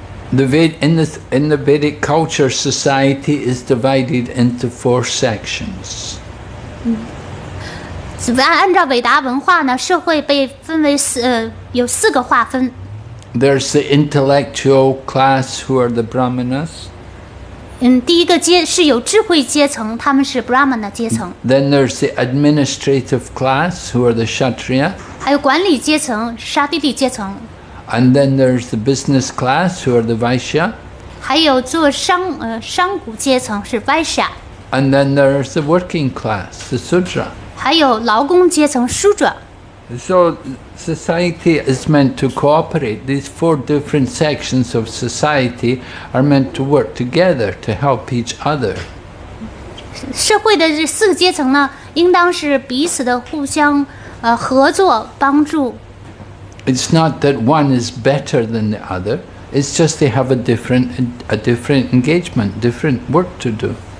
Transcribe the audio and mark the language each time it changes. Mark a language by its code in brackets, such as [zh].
[en] In the Vedic culture, society is divided into 4 sections. [zh] 按照伟达文化呢，社会被分为四，有四个划分。 [en] There's the intellectual class who are the Brahmanas. [zh] 第一个阶是有智慧阶层，他们是 Brahmana 阶层。 [en] Then there's the administrative class who are the Kshatriya. [zh] 还有管理阶层，沙帝利阶层。 [en] And then there's the business class who are the Vaishya. [zh] 还有做商贾阶层是 Vaishya. [en] And then there's the working class, the Sudra. [zh] 还有劳工阶层, Shudra. [en] So society is meant to cooperate. These 4 different sections of society are meant to work together to help each other. [zh] 社会的这四个阶层呢, 应当是彼此的互相, 合作帮助。 [en] It's not that one is better than the other. It's just they have a different engagement, different work to do.